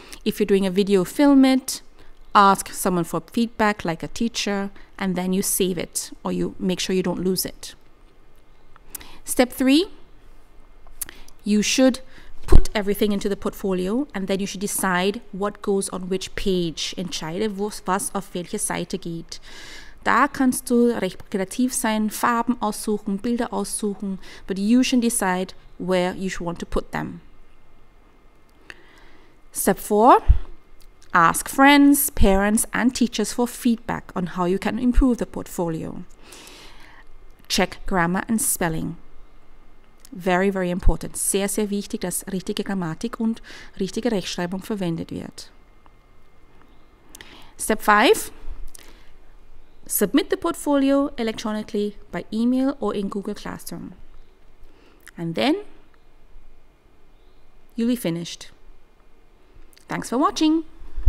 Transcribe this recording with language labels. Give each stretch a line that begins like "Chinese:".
English: If you're doing a video, film it, ask someone for feedback like a teacher, and then you save it or you make sure you don't lose it. Step 3, you should put everything into the portfolio and then you should decide what goes on which page.
German: Entscheide, was auf welche Seite geht.
English: Da kannst du recht kreativ sein, Farben aussuchen, Bilder aussuchen, but you should decide where you should want to put them. Step 4, ask friends, parents and teachers for feedback on how you can improve the portfolio. Check grammar and spelling. Very, very important.
German: Sehr, sehr wichtig, dass richtige Grammatik und richtige Rechtschreibung verwendet wird.
English: Step 5, submit the portfolio electronically by email or in Google Classroom. And then you'll be finished. Thanks for watching.